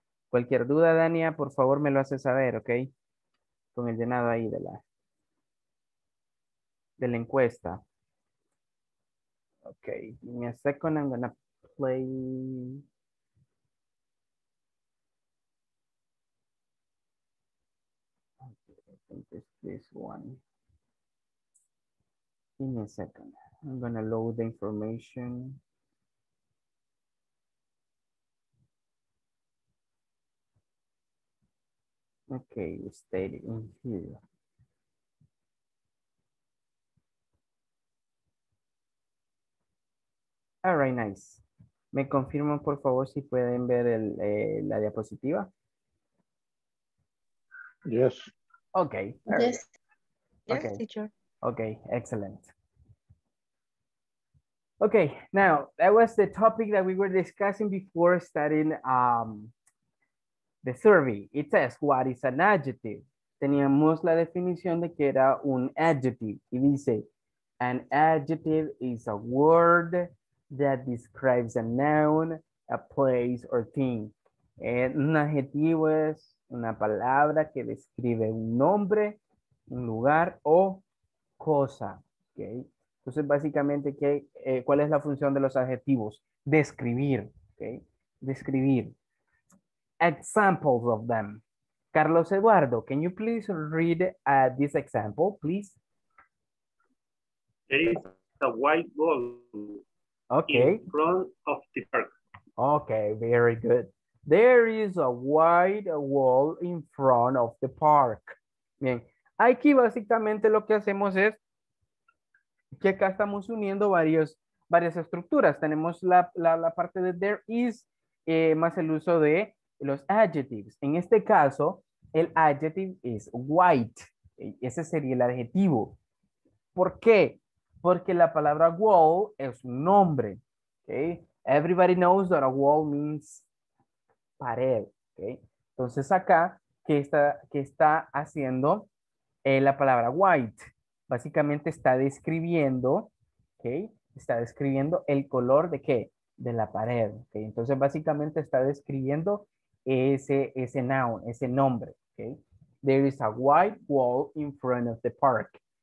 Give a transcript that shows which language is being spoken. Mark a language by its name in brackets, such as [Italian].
[Spanish] Cualquier duda, Dania, por favor me lo hace saber. Okay, con el llenado ahí de la encuesta. [English] Okay, give me a second, I'm gonna play. Okay, I think it's this one. Give me a second, I'm gonna load the information. Okay, we stayed in here. All right, nice. [Spanish] ¿Me confirman, por favor, si pueden ver la diapositiva? [English] Yes. Okay. Yes. Okay. Yes, teacher. Okay, excellent. Okay, now, that was the topic that we were discussing before starting the survey. It says, what is an adjective? [Spanish] Teníamos la definición de que era un adjective. Y dice, [English] an adjective is a word that describes a noun, a place, or thing. [Spanish] Un adjetivo es una palabra que describe un nombre, un lugar o cosa. Okay. Entonces, básicamente, ¿cuál es la función de los adjetivos? Describir. Okay. Describir. [English] Examples of them. Carlos Eduardo, can you please read this example, please? There is a white ball. Okay. In front of the park. Okay, very good. There is a white wall in front of the park. [Spanish] Bien. Aquí básicamente lo que hacemos es que acá estamos uniendo varias estructuras. Tenemos la parte de there is más el uso de los adjectives. En este caso, el [English] adjective is white. [Spanish] Ese sería el adjetivo. ¿Por qué? Porque la palabra wall es un nombre. Okay? [English] Everybody knows that a wall means pared. Okay? [Spanish] Entonces acá, ¿qué está haciendo la palabra white? Básicamente está describiendo, okay? Está describiendo el color de qué? De la pared. Okay? Entonces básicamente está describiendo ese noun, ese nombre. Okay? [English] There is a white wall in front of the park.